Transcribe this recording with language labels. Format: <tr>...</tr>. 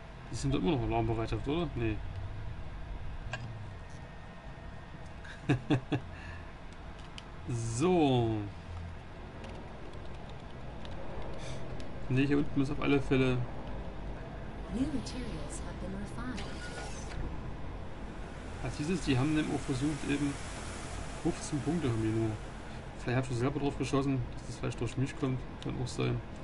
<de>Die sind doch immer noch Alarmbereitschaft, oder? Nee. So. Nee, hier unten muss auf alle Fälle.</de> <en>New materials have been refined.</en> <de>Was hieß es? Die haben im O versucht eben 15 Punkte haben die nur. Vielleicht habt ihr selber drauf geschossen, dass das Fleisch durch mich kommt. Kann auch sein.</de>